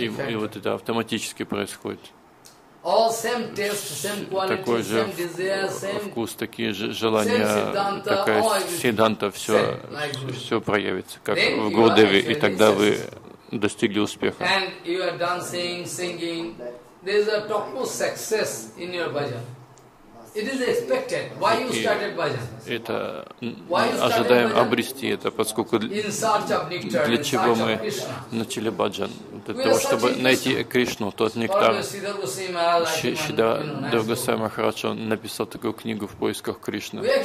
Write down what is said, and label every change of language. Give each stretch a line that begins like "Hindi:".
Russian: И вот это автоматически происходит.
English: All same taste, same quality, same desire, same
Russian: вкус, такие же желания, такая сиданта, все проявится, как в Гурудеве, и тогда вы достигли успеха.
English: And you are dancing, singing, there is a topmost success in your bhajan. It is expected. Why you started bhajan?
Russian: Это ожидаем обрести это, поскольку для чего мы начали бхаджан? Для того, чтобы найти Кришну, тот нектар. Шридхар Госвами Махарадж написал такую книгу «В поисках Кришны».